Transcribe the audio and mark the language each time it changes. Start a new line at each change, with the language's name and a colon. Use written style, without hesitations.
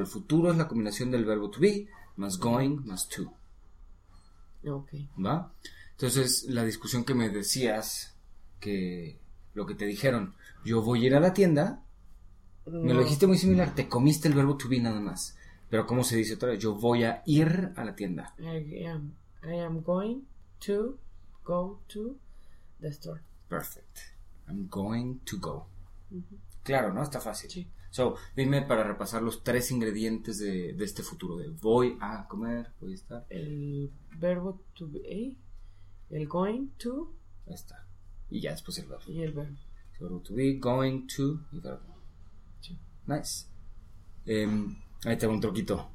Spanish: El futuro es la combinación del verbo to be más going más to. Ok. ¿Va? Entonces, la discusión que me decías, que lo que te dijeron, yo voy a ir a la tienda, no. Me lo dijiste muy similar, te comiste el verbo to be nada más. Pero ¿cómo se dice otra vez? Yo voy a ir a la tienda.
English: I am going to go to the store. Perfect. I'm going to go.
Spanish: Claro, ¿no? Está fácil. Sí. So, dime para repasar los tres ingredientes de este futuro. De voy a comer, voy a estar. El verbo to be. El going to. Ahí está. Y ya después el verbo. Y el verbo. So, verbo to be, going to, y verbo. Sí. Nice. Ahí tengo un truquito.